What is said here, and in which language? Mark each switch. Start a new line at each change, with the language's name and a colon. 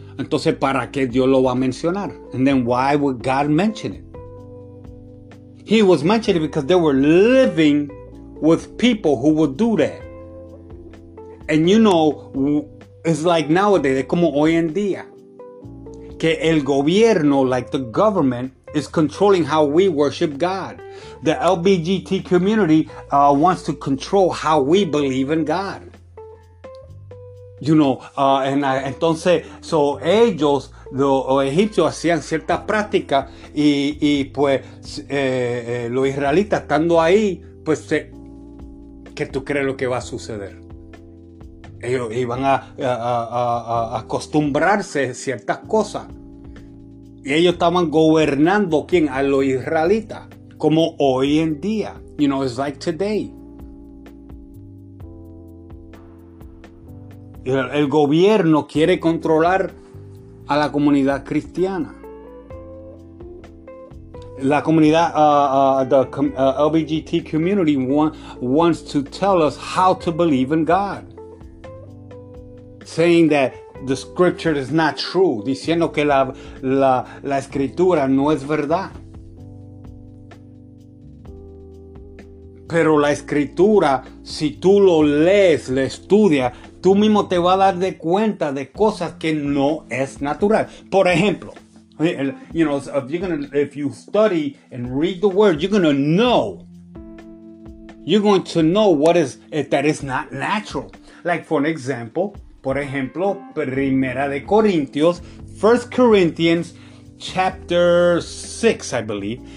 Spanish: Entonces, ¿para qué Dios lo va a mencionar?
English: And then, why would God mention it? He was mentioning it because they were living with people who would do that. And you know, it's like nowadays,
Spanish: es como hoy en día,
English: que el gobierno, like the government, is controlling how we worship God. The LGBT community wants to control how we believe in God. You know,
Spanish: entonces, so ellos, los egipcios, hacían cierta práctica y pues los israelitas estando ahí, pues, ¿qué tú crees lo que va a suceder? Ellos iban a acostumbrarse a ciertas cosas. Y ellos estaban gobernando, ¿quién? A los israelitas, como hoy en día.
English: You know, it's like today.
Spanish: El gobierno quiere controlar a la comunidad cristiana. La comunidad,
English: the LGBT community wants to tell us how to believe in God. Saying that the scripture is not true.
Spanish: Diciendo que la escritura no es verdad. Pero la escritura, si tú lo lees, la estudias, tú mismo te vas a dar de cuenta de cosas que no es natural. Por ejemplo,
English: you know, if you study and read the word, you're going to know. You're going to know what is that is not natural. Like for an example,
Spanish: por ejemplo, Primera de Corintios,
English: 1 Corinthians chapter 6, I believe.